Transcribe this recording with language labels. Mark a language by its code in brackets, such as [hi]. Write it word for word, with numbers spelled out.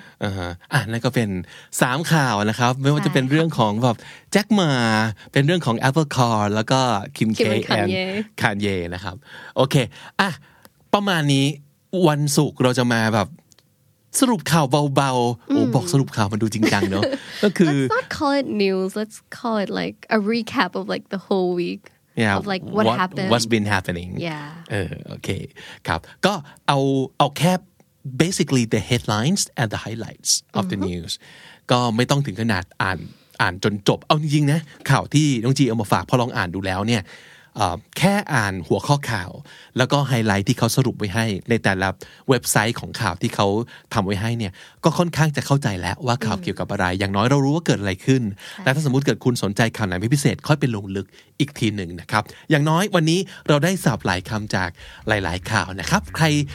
[th] อ่าฮะอ่ะนั่นก็เป็นสามข่าวนะครับไม่ว่าจะเป็นเรื่องของแบบแจ็คหมาเป็นเรื่องของ Apple Car แล้วก็คิมเค [en] Kim and แอน Kanye [th] คานเยนะครับโอเคอ่ะประมาณนี้วันศุกร์เราจะมาแบบสรุปข่าวเบาๆโอ้บอกสรุปข่าวมันดูจริงจังเนอะก็คือ [en] Let's not call it news. Let's call it like a recap of like the whole week Yeah, of like what, happened. What's been happening Yeah. [th] เออโอเคครับก็เอาเอาแค่ [en] basically the headlines and the highlights of the news [th] ก็ไม่ต้องถึงขนาดอ่านอ่านจนจบเอาจริงๆนะข่าวที่น้องจีเอามาฝากพอลองอ่านดูแล้วเนี่ย แค่อ่านหัวข้อข่าวแล้วก็ไฮไลท์ที่เขาสรุปไว้ให้ในแต่ละเว็บไซต์ของข่าวที่เขาทำไว้ให้เนี่ยก็ค่อนข้างจะเข้าใจแล้วว่าข่าวเกี่ยวกับอะไรอย่างน้อยเรารู้ว่าเกิดอะไรขึ้นและถ้าสมมุติเกิดคุณสนใจข่าวไหนเป็นพิเศษค่อยไปลงลึกอีกทีหนึ่งนะครับอย่างน้อยวันนี้เราได้สับหลายคำจากหลายๆข่าวนะครับใคร